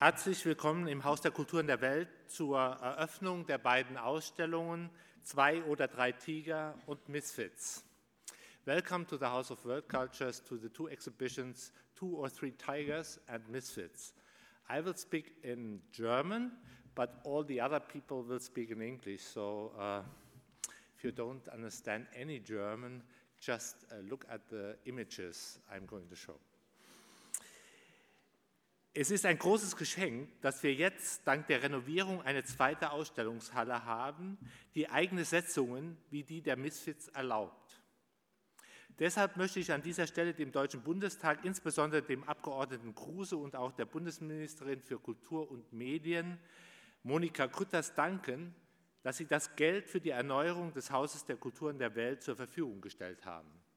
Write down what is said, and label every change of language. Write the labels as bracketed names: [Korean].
[German] Herzlich willkommen im Haus der Kulturen der Welt zur Eröffnung der beiden Ausstellungen Zwei oder drei Tiger und Misfits. [English] Welcome to the House of World Cultures to the two exhibitions Two or Three Tigers and Misfits. I will speak in German, but all the other people will speak in English. So if you don't understand any German, just look at the images I'm going to show. [German] Es ist ein großes Geschenk, dass wir jetzt dank der Renovierung eine zweite Ausstellungshalle haben, die eigene Setzungen wie die der Misfits erlaubt. Deshalb möchte ich an dieser Stelle dem Deutschen Bundestag, insbesondere dem Abgeordneten Kruse und auch der Bundesministerin für Kultur und Medien, Monika Grütters, danken, dass sie das Geld für die Erneuerung des Hauses der Kulturen der Welt zur Verfügung gestellt haben.